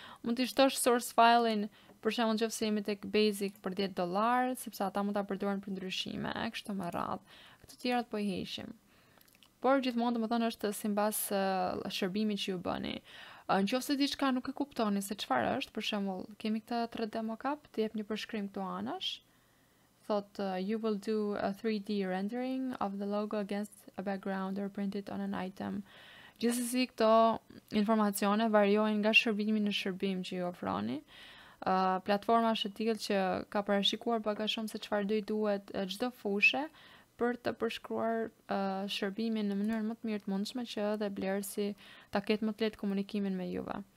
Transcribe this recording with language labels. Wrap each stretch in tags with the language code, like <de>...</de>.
<sq>Mund të shtosh source file-in, për shembull, nëse jemi tek basic për $10, sepse ata mund ta përdorin për ndryshime, kështu me radhë. Këto të tjerat po i hiqim. Por gjithmonë, domethënë është sipas shërbimit që ju bëni. Nëse diçka nuk e kuptoni se çfarë është, për shembull, kemi këtë 3D mock-up, të jep një përshkrim këtu anash.</sq> <en>Thought you will do a 3D rendering of the logo against a background or print it on an item.</en> <sq>Gjithsesi këto informacione variojnë nga shërbimi në shërbim që ju ofroni. Platforma është e tillë që ka parashikuar pak a shumë se çfarë do i duhet çdo fushë për të përshkruar shërbimin në mënyrën më të mirë të mundshme që edhe blerësi ta ketë më të lehtë komunikimin me juve.</sq>